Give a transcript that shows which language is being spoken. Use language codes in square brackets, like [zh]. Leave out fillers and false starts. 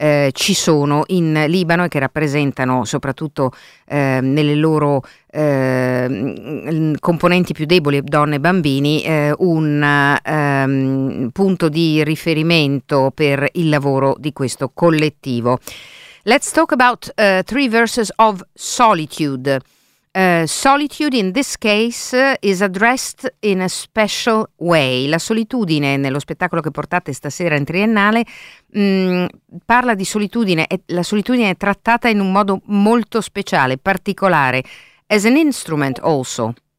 [it] ci sono in Libano e che rappresentano soprattutto nelle loro componenti più deboli, donne e bambini, un punto di riferimento per il lavoro di questo collettivo. [en] Let's talk about Three Verses of Solitude. Solitude in this case is addressed in a special way. [it] La solitudine nello spettacolo che portate stasera in Triennale parla di solitudine, e la solitudine è trattata in un modo molto speciale, particolare, [en] as an instrument also.